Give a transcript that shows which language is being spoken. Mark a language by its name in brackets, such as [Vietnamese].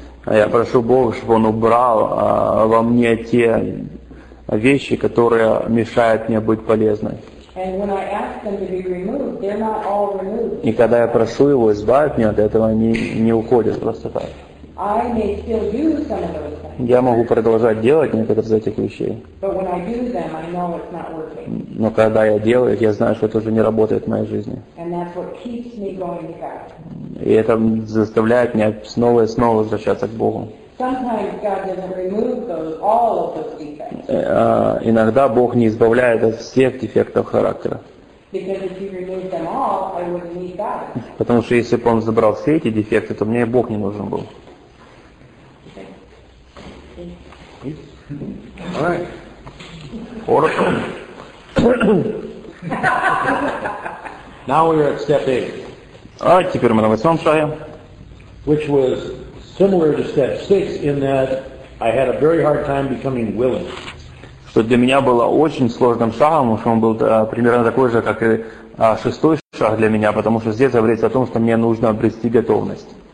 [Russian] Я прошу Бога, чтобы Он убрал во мне те вещи, которые мешают мне быть полезной. [English] And when I ask them to be removed, they're not all removed. [Russian] И когда я прошу его избавить меня от этого, они не уходят просто так. [English] I may still do some of those things. [Russian] Я могу продолжать делать некоторые из этих вещей. [English] But when I do them, I know it's not working. [Russian] Но когда я делаю их, я знаю, что это уже не работает в моей жизни. [English] And that's what keeps me going to God. [Russian] И это заставляет меня снова и снова возвращаться к Богу. [English] Sometimes God doesn't remove all of those defects. [Russian] Иногда Бог не избавляет от всех дефектов характера. [English] Because if you removed them all, I wouldn't need God. [Russian] Потому что если бы Он забрал все эти дефекты, то мне Бог не нужен был. [English] Okay. All right. Now we are at step 8. All right, [Russian] теперь мы на восьмом шаге. [English] Which was similar to step 6 in that I had a very hard time becoming willing. [Russian] что для меня было очень сложным шагом, что он был примерно такой же, как и шестой шаг для меня, потому что здесь говорится о том, что мне нужно обрести готовность.